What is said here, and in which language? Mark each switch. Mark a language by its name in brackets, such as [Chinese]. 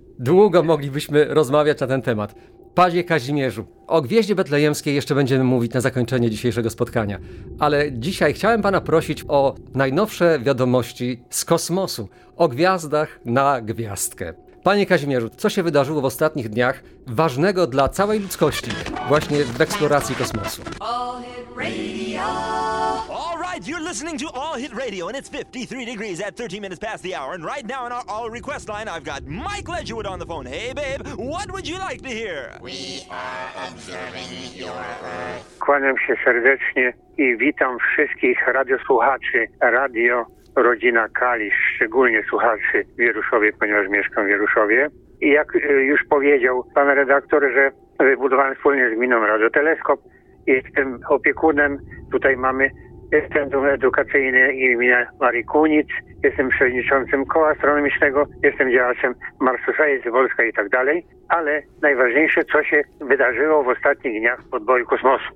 [Polish] Długo moglibyśmy rozmawiać na ten temat. Panie Kazimierzu, o Gwieździe Betlejemskiej jeszcze będziemy mówić na zakończenie dzisiejszego spotkania, ale dzisiaj chciałem Pana prosić o najnowsze wiadomości z kosmosu, o gwiazdach na gwiazdkę. Panie Kazimierzu, co się wydarzyło w ostatnich dniach ważnego dla całej ludzkości właśnie w eksploracji kosmosu? [English] All Hit Radio. All right, you're listening to All Hit Radio and it's 53 degrees at 13 minutes past the hour and right now in our all request line I've got Mike Ledgerwood on the phone. Hey babe, what would you like to hear? We are observing your Earth. [Polish] Kłaniam się serdecznie i witam wszystkich radiosłuchaczy radio Rodzina Kalisz, szczególnie słuchaczy w Jaruszowie, ponieważ mieszkam w Jaruszowie. I jak już powiedział pan redaktor, że wybudowałem wspólnie z gminą radioteleskop, jestem opiekunem, tutaj mamy Centrum Edukacyjne imienia Marii Kunic, jestem przewodniczącym koła astronomicznego, jestem działaczem Mars Society Polska i tak dalej, ale najważniejsze, co się wydarzyło w ostatnich dniach w podboju kosmosu.